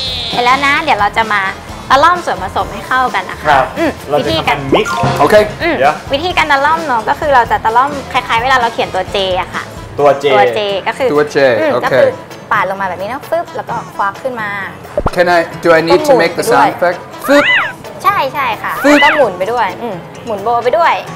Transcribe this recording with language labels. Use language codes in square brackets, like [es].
[th] เสร็จแล้วนะเดี๋ยวเราจะมาตะล่อมส่วนผสมให้เข้ากันนะคะ วิธีการ mix โอเควิธีการตะล่อมเนาะก็คือเราจะตะล่อมคล้ายๆเวลาเราเขียนตัว J อะค่ะ ตัว J ก็คือ ตัว J โอเค ปาดลงมาแบบนี้นะปึ๊บแล้วก็ควักขึ้นมา [en] Do I need to make the sound effect ปึ๊บ [th] ใช่ๆค่ะต้องหมุนไปด้วยหมุนโบไปด้วย